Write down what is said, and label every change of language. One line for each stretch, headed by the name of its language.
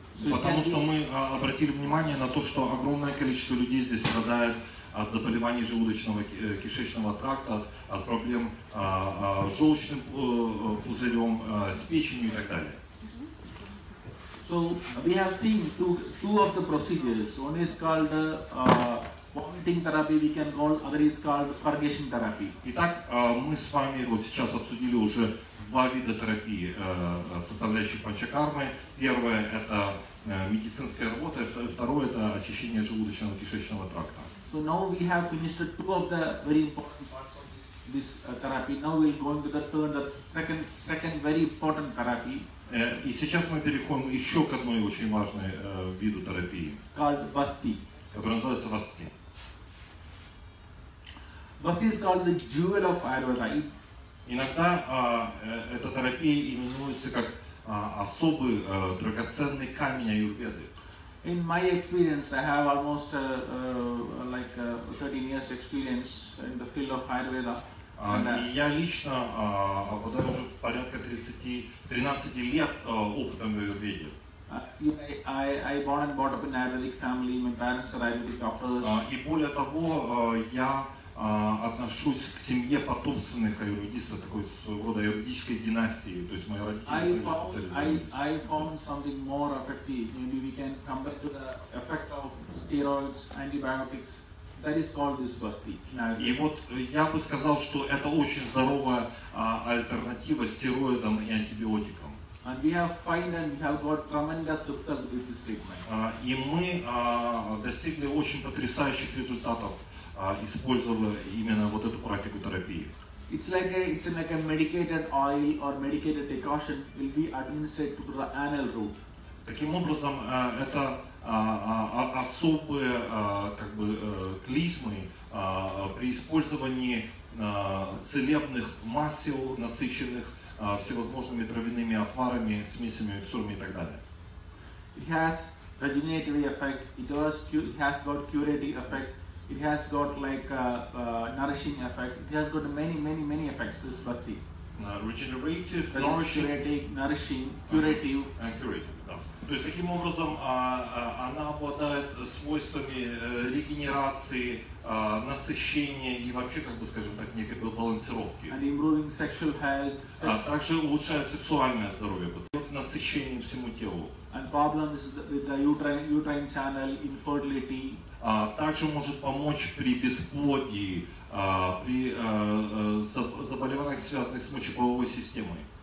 Russian: потому что мы обратили внимание на то, что огромное количество людей здесь страдает от заболеваний желудочного кишечного тракта, от проблем с желчным пузырем, с печенью и так далее.
English: So we have seen two of the procedures. One is called vomiting therapy, we can call, other is called purgation therapy.
Russian: Итак, мы с вами вот сейчас обсудили уже два вида терапии, составляющих панчакармы. Первое – это медицинская работа, второе – это очищение желудочно-кишечного тракта.
English: So now we have finished two of the very important parts of this therapy. Now we'll go into the third, the second very important therapy.
Russian: И сейчас мы переходим еще к одной очень важной виду терапии.
English: Called Bhakti.
Russian: Которая называется Bhakti.
English: Bhakti is called the jewel of Ayurveda.
Russian: Иногда эта терапия именуется как особый драгоценный камень Аюрведы.
English: In my experience, I have almost like 13 years experience in the field of Ayurveda.
Russian: Я лично обладаю уже порядка 13 лет опытом в Аюрведе.
English: I born and brought up in Ayurvedic family. My parents are Ayurvedic doctors.
Russian: И более того, я отношусь к семье потомственных аюрведистов, такой своего рода аюрведической династии, то есть мои родители специализируются.
English: I found something more effective. Maybe we can come back to the effect of steroids, antibiotics. That is called this Bhakti.
Russian: И вот я бы сказал, что это очень здоровая альтернатива стероидам и антибиотикам.
English: And we have found and have got tremendous results with this treatment.
Russian: И мы достигли очень потрясающих результатов, использовала именно вот эту практику терапии.
English: It's like a medicated oil or medicated decoction will be administered to the anal route.
Russian: Таким образом, это особые как бы клизмы при использовании целебных масел, насыщенных всевозможными травяными отварами, смесями, микстурами и так далее.
English: It has regenerative effect. It has got curative effect. It has got like a nourishing effect. It has got many effects, this Bhakti. Regenerative, nourishing. Curative.
Russian: Curative, да. То есть, таким образом, она обладает свойствами регенерации, насыщения и вообще, как бы, скажем так, некой балансировки.
English: And improving sexual health.
Russian: Также улучшает сексуальное здоровье пациента, насыщение всему телу.
English: And problems with the uterine channel, infertility.
Russian: Также может помочь при бесплодии, при заболеваниях, связанных с мочеполовой системой.